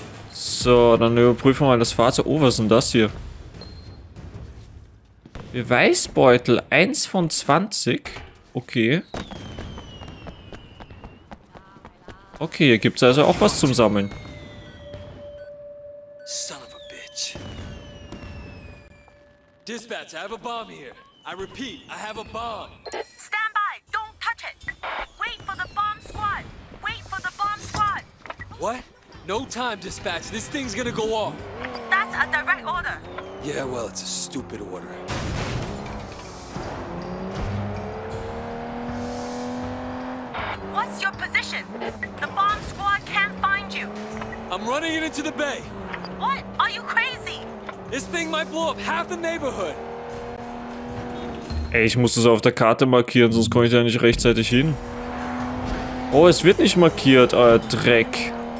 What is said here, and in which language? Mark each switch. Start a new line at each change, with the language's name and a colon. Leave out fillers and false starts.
German: So, dann überprüfen wir mal das Fahrzeug. Oh, was ist denn das hier? Beweisbeutel 1 von 20. Okay. Okay, hier gibt es also auch was zum Sammeln.
English: Son of a bitch. Dispatch, I have a bomb here. I repeat, I have a bomb. Stand by, don't touch it. Wait for the bomb squad. Wait for the bomb squad. What? No time, dispatch. This thing's gonna go off. That's a direct order. Yeah, well, it's a stupid order. What's your position? The bomb squad can't find you. I'm running it into the bay. What? Are you crazy? This thing might blow up half the neighborhood.
German: Ey, ich muss das auf der Karte markieren, sonst komme ich da nicht rechtzeitig hin. Oh, es wird nicht markiert, euer Dreck.